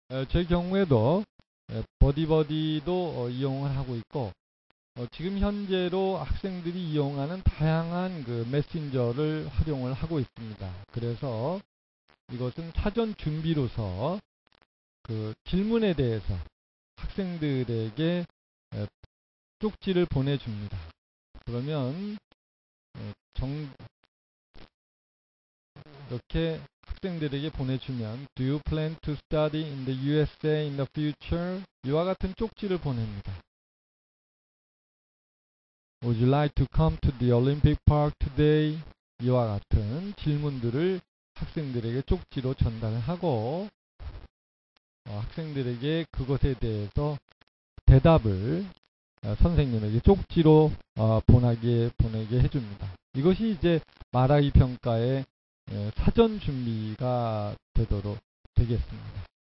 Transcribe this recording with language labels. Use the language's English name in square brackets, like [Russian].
[Korean] 제 경우에도 버디버디도 이용을 하고 있고 지금 현재로 학생들이 이용하는 다양한 그 메신저를 활용을 하고 있습니다. 그래서 이것은 사전 준비로서 그 질문에 대해서 학생들에게 쪽지를 보내줍니다. 그러면 이렇게 학생들에게 보내주면 [English] Do you plan to study in the USA in the future? [Korean] 이와 같은 쪽지를 보냅니다. [English] Would you like to come to the Olympic Park today? [Korean] 이와 같은 질문들을 학생들에게 쪽지로 전달을 하고 학생들에게 그것에 대해서 대답을 선생님에게 쪽지로 보내게 해줍니다. 이것이 이제 말하기 평가의 사전 준비가 되겠습니다.